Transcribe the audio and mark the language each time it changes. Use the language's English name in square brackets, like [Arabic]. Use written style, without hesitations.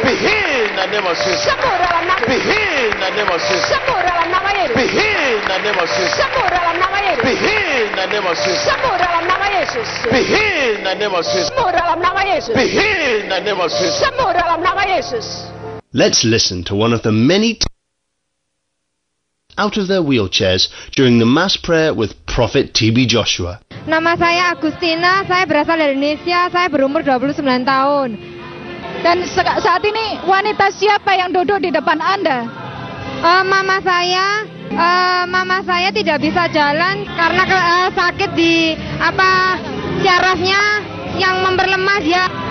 [English] Be healed in the name of Jesus. [Indonesian] Sembuh dalam nama Yesus. [English] Be healed in the name of Jesus. [Indonesian] Sembuh dalam nama Yesus. [English] Be healed in the name of Jesus. [Indonesian] Sembuh dalam nama Yesus. [English] Be healed in the name of Jesus. [Indonesian] Sembuh dalam nama Yesus. [English] Be healed in the name of Jesus. Be healed in the name of Jesus. [Indonesian] Sembuh dalam nama Yesus. [English] Let's listen to one of the many out of their wheelchairs during the mass prayer with Prophet T.B. Joshua. [Indonesian] Nama saya Agustina, saya berasal dari Indonesia, saya berumur 29 tahun. Dan saat ini wanita siapa yang duduk di depan Anda? Mama saya tidak bisa jalan karena sakit di sarafnya yang memperlemah dia.